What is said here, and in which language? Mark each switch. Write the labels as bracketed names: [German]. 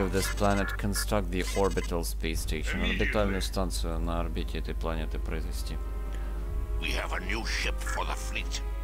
[English] Of this planet, construct the orbital space station. [Russian] Орбитальную станцию на орбите этой планеты произвести. [English] We have a new ship for the fleet.